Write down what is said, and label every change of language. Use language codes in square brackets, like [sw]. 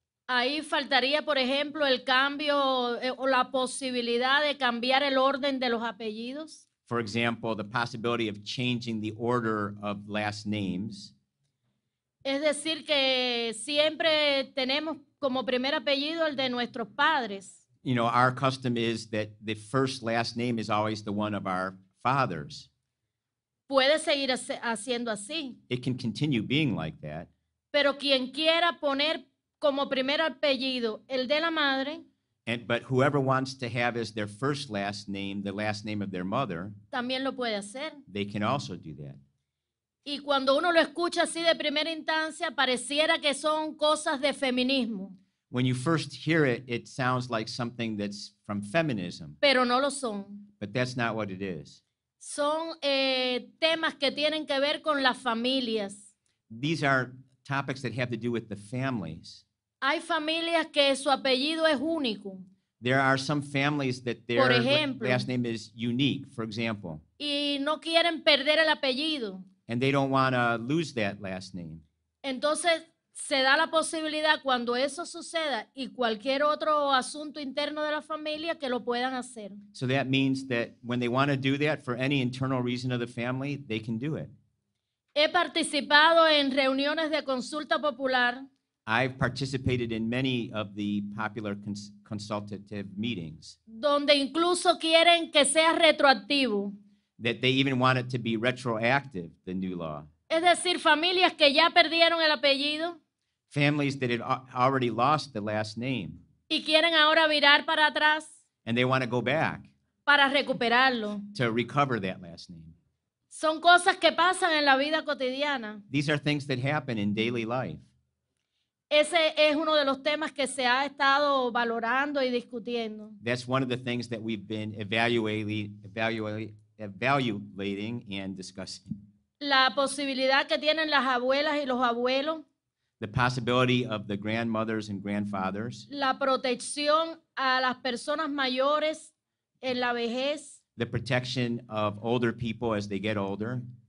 [es] Ahí faltaría, por ejemplo, el cambio o la posibilidad de cambiar el orden de los apellidos. [en] For example, the possibility of changing the order of last names. [es] Es decir, que siempre tenemos como primer apellido el de nuestros padres. [en] You know, our custom is that the first last name is always the one of our fathers. [es] Puede seguir haciendo así. [en] It can continue being like that. [es] Pero quien quiera poner como primer apellido el de la madre. [en] But whoever wants to have as their first last name the last name of their mother. [es] También lo puede hacer. [en] They can also do that. [es] Y cuando uno lo escucha así de primera instancia, pareciera que son cosas de feminismo. [en] When you first hear it, it sounds like something that's from feminism. [es] Pero no lo son. [en] But that's not what it is. [es] Son temas que tienen que ver con las familias. [en] These are topics that have to do with the families. [es] Hay familias que su apellido es único. [en] There are some families that their last name is unique, for example. [es] Y no quieren perder el apellido. [en] And they don't want to lose that last name. [es] Entonces, se da la posibilidad cuando eso suceda y cualquier otro asunto interno de la familia que lo puedan hacer. [en] So that means that when they want to do that for any internal reason of the family, they can do it. [es] He participado en reuniones de consulta popular. [en] I've participated in many of the popular consultative meetings. [es] Donde incluso quieren que sea retroactivo. [en] That they even want it to be retroactive, the new law. [es] Es decir, familias que ya perdieron el apellido. [en] Families that had already lost the last name. [es] Y quieren ahora virar para atrás. [en] And they want to go back. [es] Para recuperarlo. [en] To recover that last name. [es] Son cosas que pasan en la vida cotidiana. [en] These are things that happen in daily life. [es] Ese es uno de los temas que se ha estado valorando y discutiendo. [en] That's one of the things that we've been evaluating and discussing. [es] La posibilidad que tienen las abuelas y los abuelos. [en] The possibility of the grandmothers and grandfathers. [es] La protección a las personas mayores en la vejez. [en] The protection of older people as they get older.